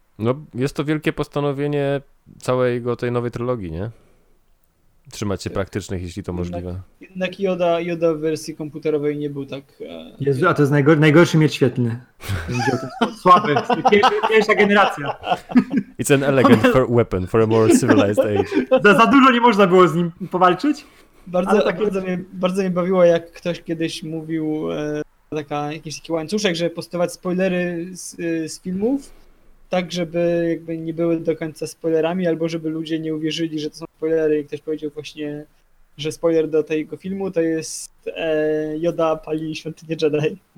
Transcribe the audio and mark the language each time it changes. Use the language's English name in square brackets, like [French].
[Polish] No, jest to wielkie postanowienie całej jego tej nowej trylogii, nie? Trzymać się praktycznych, jeśli to możliwe. Jednak Yoda w wersji komputerowej nie był tak... Jezu, a to jest najgorszy miecz świetlny. Słaby, pierwsza generacja. [English] It's an elegant weapon for a more civilized age. [Polish] Za dużo nie można było z nim powalczyć. Bardzo mnie bawiło, jak ktoś kiedyś mówił... jakiś taki łańcuszek, żeby postować spoilery z filmów, tak żeby jakby nie były do końca spoilerami, albo żeby ludzie nie uwierzyli, że to są spoilery i ktoś powiedział właśnie, że spoiler do tego filmu to jest Yoda pali świątynię Jedi.